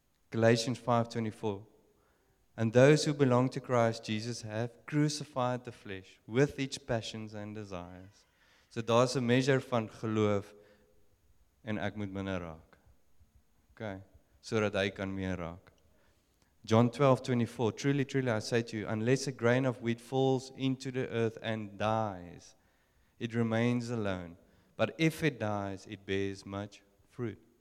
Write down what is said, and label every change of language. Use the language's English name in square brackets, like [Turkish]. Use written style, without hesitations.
[English] Galatians 5:24, and those who belong to Christ Jesus have crucified the flesh with its passions and desires. [Afrikaans] So daar's 'n measure van geloof en ek moet minder raak. Okay, sodat hy kan meer raak. [English] John 12:24, truly, truly, I say to you, unless a grain of wheat falls into the earth and dies, it remains alone. But if it dies, it bears much fruit.